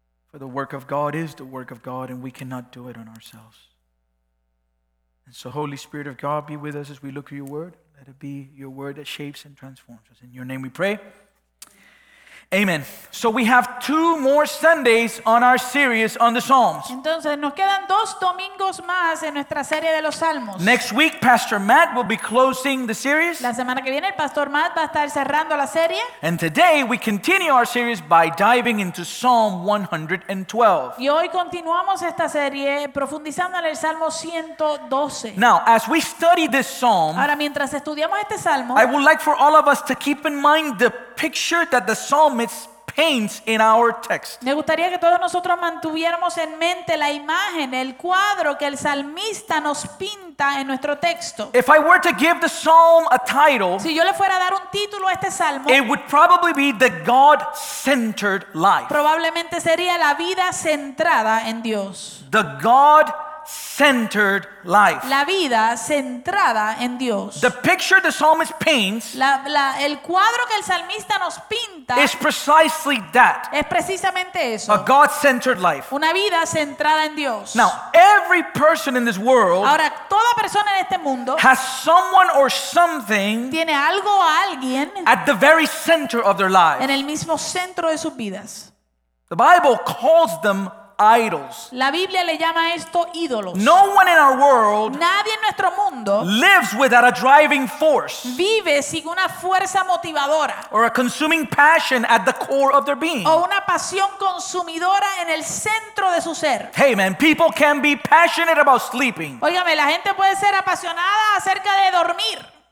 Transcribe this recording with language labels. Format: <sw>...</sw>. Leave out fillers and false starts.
<en>For the work of God is the work of God, and we cannot do it on ourselves. And so, Holy Spirit of God, be with us as we look at your word. Let it be your word that shapes and transforms us. In your name we pray. Amen. So we have two more Sundays on our series on the Psalms.</en> <es>Entonces nos quedan dos domingos más en nuestra serie de los Salmos.</es> <en>Next week, Pastor Matt will be closing the series.</en> <es>La semana que viene el Pastor Matt va a estar cerrando la serie.</es> <en>And today we continue our series by diving into Psalm 112.</en> <es>Y hoy continuamos esta serie profundizando en el Salmo 112.</es> <en>Now, as we study this Psalm,</en> <es>ahora mientras estudiamos este Salmo,</es> <en>I would like for all of us to keep in mind the picture that the psalmist paints in our text.</en> <es>Me gustaría que todos nosotros mantuviéramos en mente la imagen, el cuadro que el salmista nos pinta en nuestro texto.</es> <en>If I were to give the psalm a title,</en> <es>si yo le fuera a dar un título a este salmo,</es> <en>it would probably be the God-centered life.</en> <es>Probablemente sería la vida centrada en Dios.</es> <en>The God centered life.</en> <es>La vida centrada en Dios.</es> <en>The picture the psalmist paints,</en> <es>el cuadro que el salmista nos pinta,</es> <en>is precisely that.</en> <es>Es precisamente eso.</es> <en>A God-centered life.</en> <es>Una vida centrada en Dios.</es> <en>Now, every person in this world,</en> <es>ahora, toda persona en este mundo,</es> <en>has someone or something,</en> <es>tiene algo o alguien,</es> <en>at the very center of their lives.</en> <es>En el mismo centro de sus vidas.</es> <en>The Bible calls them idols.</en> <es>La Biblia le llama esto ídolos.</es> <en>No one in our world,</en> <es>nadie en nuestro mundo,</es> <en>lives without a driving force,</en> <es>vive sin una fuerza motivadora,</es> <en>or a consuming passion at the core of their being,</en> <es>o una pasión consumidora en el centro de su ser.</es> <en>Hey man, people can be passionate about sleeping.</en> <es>Óigame, la gente puede ser apasionada acerca de dormir.</es>